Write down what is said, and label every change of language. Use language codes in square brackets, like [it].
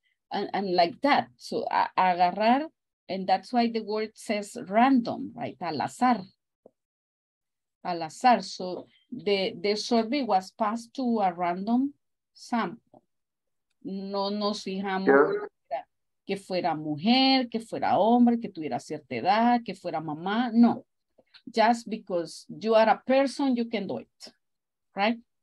[en] And like that, so agarrar, and that's why the word says random, right? [es] Al azar. [en] So the survey was passed to a random sample. [es] No nos fijamos que fuera mujer, que fuera hombre, que tuviera cierta edad, que fuera mamá. [en] No, just because you are a person, you can do it, right?